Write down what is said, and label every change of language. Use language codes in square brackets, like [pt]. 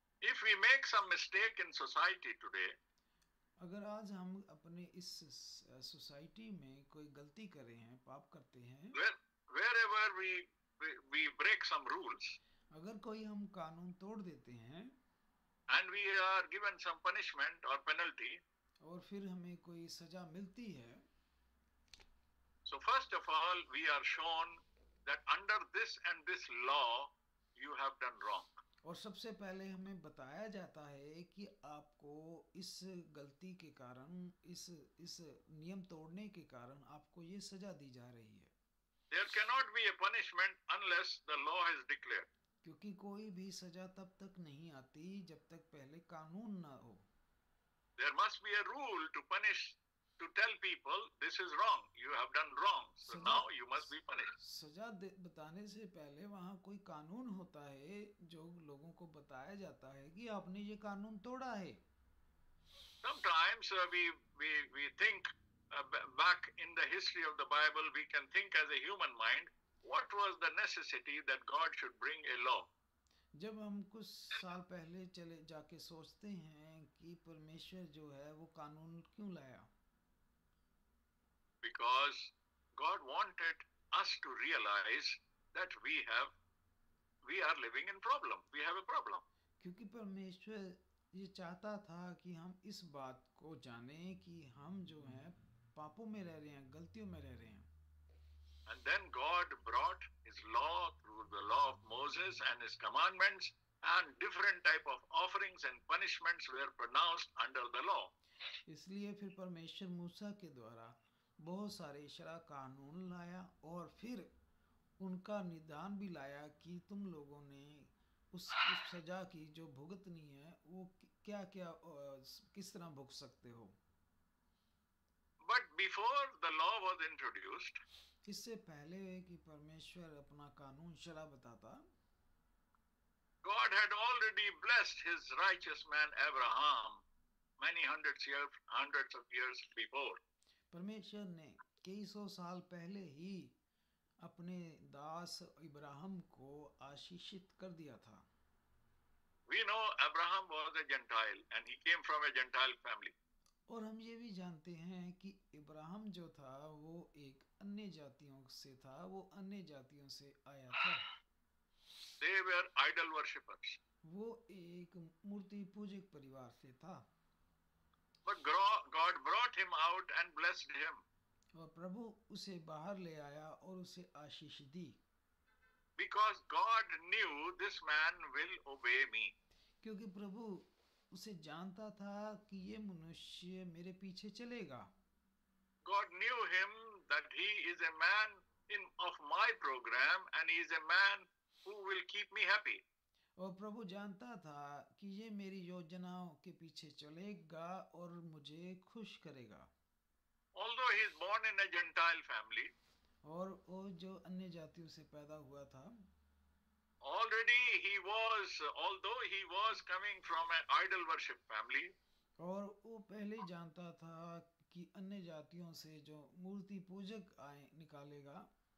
[en] if we make some mistake in society today [hi] अगर आज हम अपने इस सोसाइटी में कोई गलती करे हैं पाप करते हैं [en] wherever we break some rules [hi] अगर कोई हम कानून तोड़ देते हैं [en] and we are given some punishment or penalty [hi] और फिर हमें कोई सजा मिलती है [en] so first of all we are shown that under this and this law you have done wrong [hi] और सबसे पहले हमें बताया जाता है कि आपको इस गलती के कारण इस नियम तोड़ने के कारण आपको ये सजा दी जा रही है [en] There cannot be a punishment unless the law is declared. [hi] क्योंकि कोई भी सजा तब तक नहीं आती जब तक पहले कानून ना हो [en] There must be a rule to punish to tell people this is wrong you have done wrong so now you must be punished [hi] सजा बताने से पहले वहां कोई कानून होता है जो लोगों को बताया जाता है कि आपने ये कानून तोड़ा है [en] sometimes we think back in the history of the bible we can think as a human mind what was the necessity that god should bring a law [hi] जब हम कुछ साल पहले चले जाके सोचते हैं कि परमेश्वर जो है वो कानून क्यों लाया [en] Because God wanted us to realize that we are living in problem. We have a problem. [hi] क्योंकि परमेश्वर ये चाहता था कि हम इस बात को जाने कि हम जो हैं पापों में रह रहे हैं गलतियों में रह रहे हैं. [en] And then God brought His law through the law of Moses and His commandments, and different type of offerings and punishments were pronounced under the law. [hi] इसलिए फिर परमेश्वर मूसा के द्वारा बहुत सारे शरा कानून लाया और फिर उनका निदान भी लाया कि तुम लोगों ने उस सजा की जो भुगतनी है वो क्या क्या किस तरह भुगत सकते हो [en] but before the law was introduced [hi] इससे पहले कि परमेश्वर अपना कानून शरा बताता [en] God had already blessed his righteous man Abraham many hundreds of years before [hi] परमेश्वर ने कई सौ साल पहले ही अपने दास इब्राहिम को आशीषित कर दिया था [en] We know Abraham was a Gentile and he came from a Gentile family. [hi] और हम ये भी जानते हैं कि इब्राहिम जो था वो एक अन्य जातियों से था वो अन्य जातियों से आया था [en] They were idol worshippers. [hi] वो एक मूर्ति पूजक परिवार से था [en] But God brought him out and blessed him. [hi] और प्रभु उसे बाहर ले आया और उसे आशीष दी. [en] Because God knew this man will obey me. [hi] क्योंकि प्रभु उसे जानता था कि ये मनुष्य मेरे पीछे चलेगा. [en] God knew him that he is a man in of my program and he is a man who will keep me happy. [hi] और प्रभु जानता था कि ये मेरी योजनाओं के पीछे चलेगा और मुझे खुश करेगा [en] Although he is born in a Gentile family, [hi] और वो जो अन्य जातियों से पैदा हुआ था [en] Already he was, although he was coming from an idol worship family, [hi] और वो पहले जानता था कि अन्य जातियों से जो मूर्ति पूजक आए निकालेगा